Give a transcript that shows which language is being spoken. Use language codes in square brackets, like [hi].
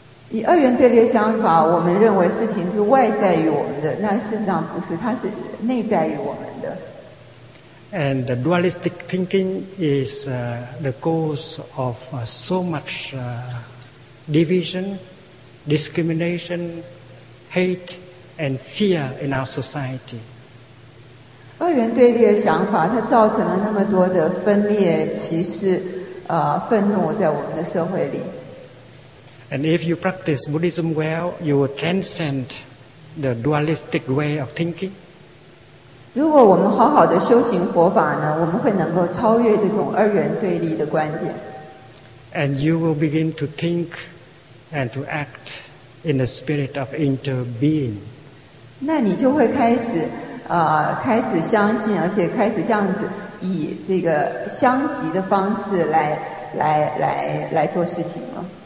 [zh] 以二元对立的想法，我们认为事情是外在于我们的，那事实上不是，它是内在于我们的。 [en] And the dualistic thinking is the cause of so much division, discrimination, hate, and fear in our society. [zh] 二元对立的想法，它造成了那么多的分裂、歧视、愤怒在我们的社会里。 [en] And if you practice Buddhism well, you will transcend the dualistic way of thinking. [zh] 如果我们好好的修行佛法呢，我们会能够超越这种二元对立的观点。 [en] And you will begin to think and to act in the spirit of interbeing. [zh] 那你就会开始相信，而且开始这样子以这个相即的方式来做事情了。